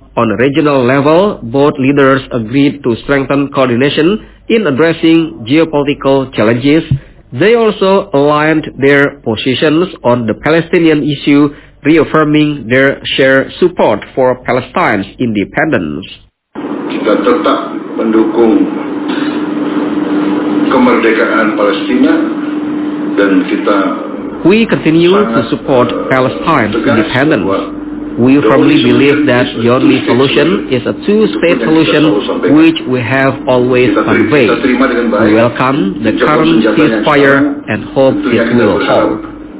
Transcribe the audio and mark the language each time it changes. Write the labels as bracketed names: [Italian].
[English] On a regional level, both leaders agreed to strengthen coordination in addressing geopolitical challenges. They also aligned their positions on the Palestinian issue, reaffirming their shared support for Palestine's independence. [Indonesian] Kita tetap mendukung kemerdekaan Palestina dan kita [English] We continue to support Palestine's independence. We firmly believe that the only solution is a two-state solution, which we have always conveyed. We welcome the current ceasefire and hope it will hold.